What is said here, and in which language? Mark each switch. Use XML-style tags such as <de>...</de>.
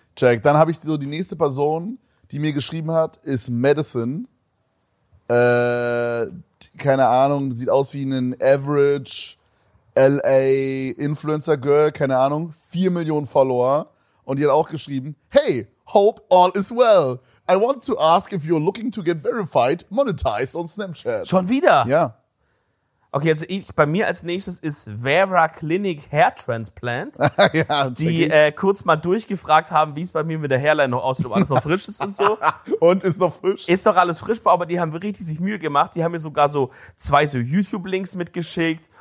<de>Check, dann habe ich so die nächste Person, die mir geschrieben hat, ist Madison. Keine Ahnung, sieht aus wie ein Average L.A. Influencer Girl, keine Ahnung, 4 Millionen Follower. Und die hat auch geschrieben,</de> <en>hey, hope all is well. I want to ask if you're looking to get verified, monetized on Snapchat.</en> <de>Schon wieder? Ja. Okay, also bei mir als nächstes ist Vera Clinic Hair Transplant. Ja, die kurz mal durchgefragt haben, wie es bei mir mit der Hairline noch aussieht, ob alles noch frisch ist und so. Und ist noch frisch? Ist doch alles frisch, aber die haben richtig sich Mühe gemacht. Die haben mir sogar so 2 so YouTube-Links mitgeschickt.</de>